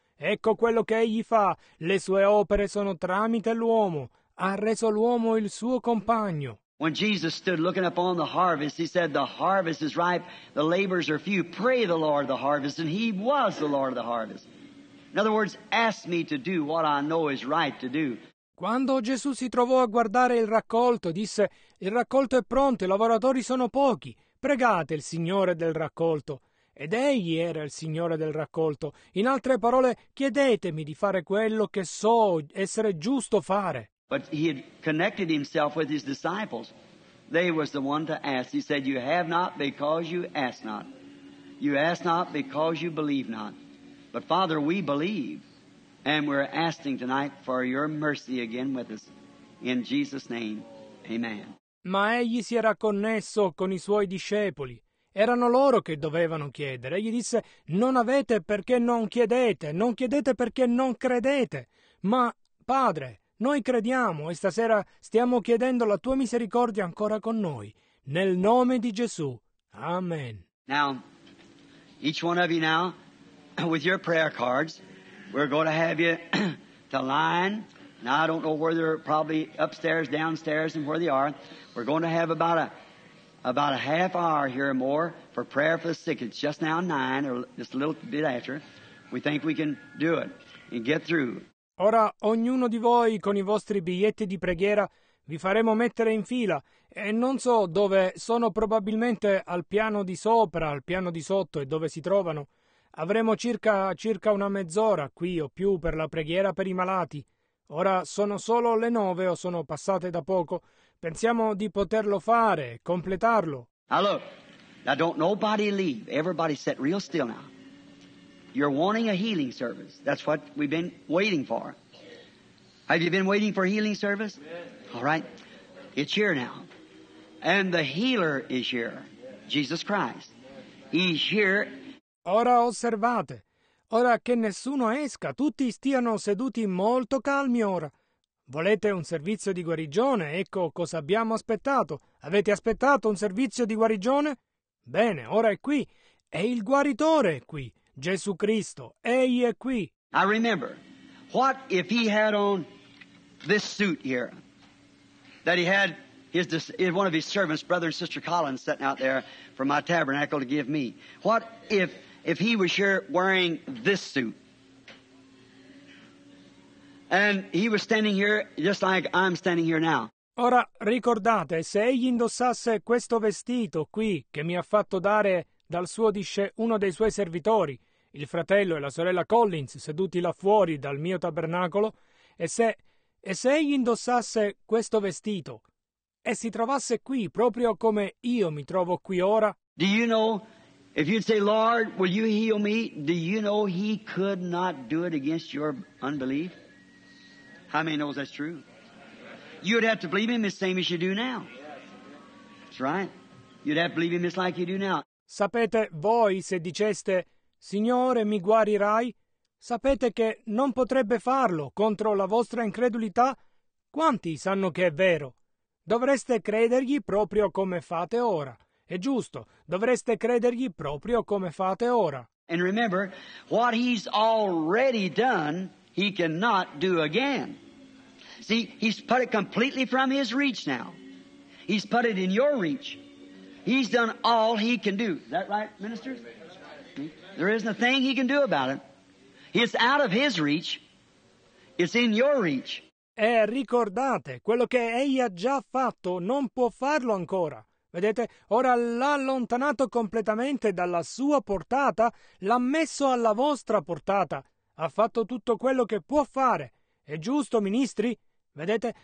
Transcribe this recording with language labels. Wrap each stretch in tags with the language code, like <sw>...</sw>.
<it>Ecco quello che egli fa, le sue opere sono tramite l'uomo. Ha reso l'uomo il suo compagno.</it> <en>When Jesus stood looking upon the harvest, he said, "The harvest is ripe, the laborers are few. Pray the Lord of the harvest," and he was the Lord of the harvest. In other words, ask me to do what I know is right to do.</en> <it>Quando Gesù si trovò a guardare il raccolto, disse, "Il raccolto è pronto, i lavoratori sono pochi. Pregate il Signore del raccolto." Ed egli era il Signore del raccolto. In altre parole, chiedetemi di fare quello che so essere giusto fare.</it> <en>But he had connected himself with his disciples. They was the one to ask. He said, "You have not because you ask not. You ask not because you believe not. But Father, we believe, and we're asking tonight for your mercy again with us. In Jesus' name, amen."</en> <it>Ma egli si era connesso con i suoi discepoli. Erano loro che dovevano chiedere. Egli disse, "Non avete perché non chiedete. Non chiedete perché non credete. Ma, Padre, noi crediamo e stasera stiamo chiedendo la tua misericordia ancora con noi. Nel nome di Gesù. Amen."</it> <en>Now, each one of you now, with your prayer cards, we're going to have you to line. Now, I don't know where they're probably upstairs, downstairs, and where they are. We're going to have about a half hour here or more for prayer for the sick. It's just now 9, or just a little bit after. We think we can do it and get through.</en> <it>Ora ognuno di voi con i vostri biglietti di preghiera vi faremo mettere in fila e non so dove sono, probabilmente al piano di sopra, al piano di sotto e dove si trovano. Avremo circa una mezz'ora qui o più per la preghiera per i malati. Ora sono solo le 9 o sono passate da poco. Pensiamo di poterlo fare, completarlo.</it> <en>Allora, now don't nobody leave. Everybody sit real still now. You're wanting a healing service. That's what we've been waiting for. Have you been waiting for a healing service? Amen. All right. It's here now. And the healer is here. Jesus Christ. He's here.</en> <it>Ora osservate. Ora che nessuno esca, tutti stiano seduti molto calmi ora. Volete un servizio di guarigione? Ecco cosa abbiamo aspettato. Avete aspettato un servizio di guarigione? Bene, ora è qui. E il guaritore è qui. Gesù Cristo, egli è qui.</it> <en>I remember, what if he had on this suit here, that he had his one of his servants, brother and sister Collins, sitting out there from my tabernacle to give me. What if he was here wearing this suit, and he was standing here just like I'm standing here now?</en> <it>Ora ricordate, se egli indossasse questo vestito qui che mi ha fatto dare dal suo uno dei suoi servitori, il fratello e la sorella Collins, seduti là fuori dal mio tabernacolo, e se egli indossasse questo vestito e si trovasse qui proprio come io mi trovo qui ora?</it> <en>Do you know, if you'd say, "Lord, will you heal me?" Do you know he could not do it against your unbelief? How many knows that's true? You'd have to believe him the same as you do now. That's right. You'd have to believe him just like you do now.</en> <it>Sapete voi, se diceste, "Signore, mi guarirai?" Sapete che non potrebbe farlo contro la vostra incredulità? Quanti sanno che è vero? Dovreste credergli proprio come fate ora. È giusto, dovreste credergli proprio come fate ora.</it> <en>And remember, what he's already done, he cannot do again. See, he's put it completely from his reach now. He's put it in your reach. He's done all he can do. Is that right, minister? There isn't a thing he can do about it. It's out of his reach. It's in your reach.</en> <it>E ricordate, quello che egli ha già fatto non può farlo ancora. Vedete? Ora l'ha allontanato completamente dalla sua portata, l'ha messo alla vostra portata. Ha fatto tutto quello che può fare. È giusto, ministri? Vedete?</it>